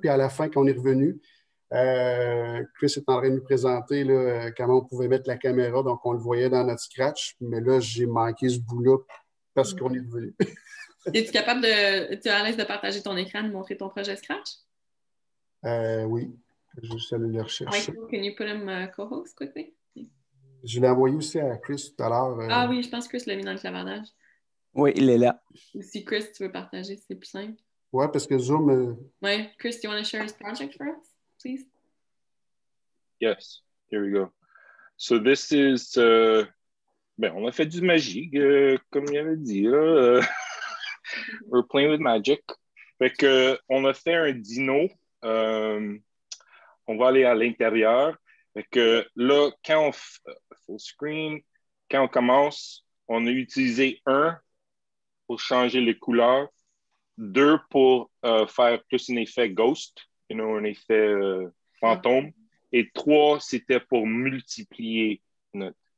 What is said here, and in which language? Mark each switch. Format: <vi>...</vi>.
<fr>Puis à la fin, quand on est revenu, Chris est en train de nous présenter là, comment on pouvait mettre la caméra. Donc, on le voyait dans notre Scratch. Mais là, j'ai manqué ce bout-là parce qu'on est revenu. Es-tu capable de... Tu es à l'aise de partager ton écran, de montrer ton projet Scratch? Oui, je vais aller le rechercher.</fr> <en>Michael, can you put him co-host quickly?</en> <fr>Je l'ai envoyé aussi à Chris tout à l'heure. Ah oui, je pense que Chris l'a mis dans le clavardage. Oui, il est là. Ou si Chris, tu veux partager, c'est plus simple. Oui, parce que Zoom... Oui,</fr> <en>Chris, do you want to share his project for us, please? Yes, here we go. So this is...</en> <fr>ben, on a fait du magique, comme il avait dit.</fr> <en>We're playing with magic.</en> <fr>Fait que, on a fait un dino... on va aller à l'intérieur. Fait que là, quand on full screen, quand on commence, on a utilisé un pour changer les couleurs, deux pour faire plus un effet ghost,</fr> <en>you know,</en> <fr>un effet fantôme, et trois, c'était pour multiplier notre...</fr>